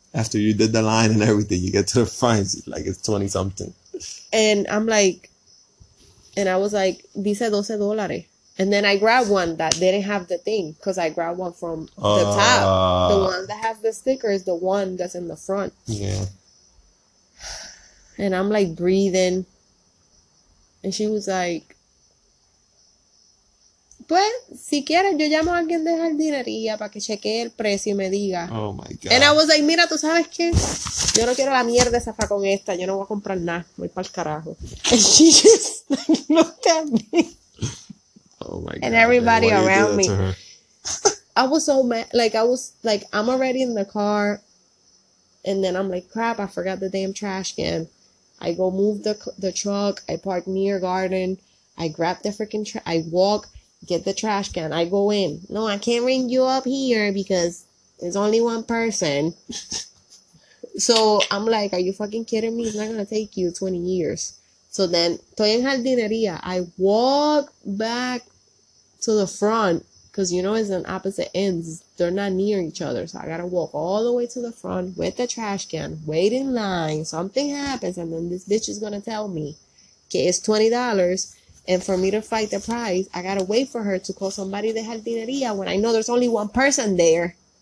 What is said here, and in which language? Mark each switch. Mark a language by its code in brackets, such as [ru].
[en] After you did the line and everything, you get to the front, like it's 20 something. And I'm like, and I was like, dice $12. And then I grabbed one that didn't have the thing, because I grabbed one from the top. The one that has the sticker is the one that's in the front. Yeah. And I'm like breathing. And she was like, [es] pues, si quieres, yo llamo a alguien de jardinería para que chequee el precio y me diga. [en] Oh, my God. And I was like, [es] mira, ¿tú sabes qué? Yo no quiero la mierda esa con esta. Yo no voy a comprar nada. Voy para el carajo. [en] And she just looked at me. Oh, my God. And everybody around me. I was so mad. Like, I was, like, I'm already in the car. And then I'm like, crap, I forgot the damn trash can. I go move the truck. I park near garden. I grab the freaking I walk. Get the trash can. I go in. No, I can't ring you up here because there's only one person. So I'm like, are you fucking kidding me? It's not going to take you 20 years. So then, [es] estoy en jardinería. [en] I walk back to the front Because, you know, it's on opposite ends. They're not near each other. So I got to walk all the way to the front with the trash can. Wait in line. Something happens. And then this bitch is going to tell me, okay, it's $20. And for me to fight the price, I got to wait for her to call somebody [es] de jardinería [en] when I know there's only one person there.